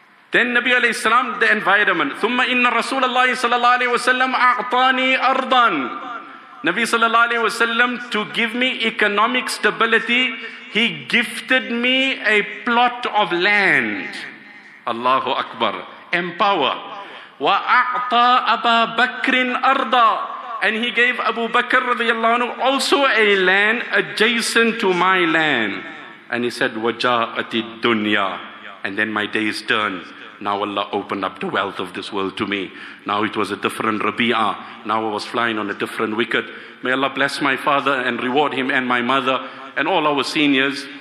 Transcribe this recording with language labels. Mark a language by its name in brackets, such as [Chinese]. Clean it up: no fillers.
[English] Then Nabi alayhi salam, the environment. [Arabic] ثُمَّ إِنَّ رَسُولَ اللَّهِ صَلَى اللَّهِ عَلَيْهِ وَسَلَّمْ أَعْطَانِي أَرْضًا. [English] Nabi sallallahu alayhi wasallam, to give me economic stability, he gifted me a plot of land. [Arabic] Allahu Akbar. Empower. وَأَعْطَى أَبَا بَكْرٍ أَرْضًا. [English] And he gave Abu Bakr radiallahu anhu also a land adjacent to my land. And he said, [Arabic] وَجَاءَتِ الدُّنْيَا. [English] And then my days turned. Now Allah opened up the wealth of this world to me. Now it was a different Rabi'a. Now I was flying on a different wicket. May Allah bless my father and reward him and my mother and all our seniors.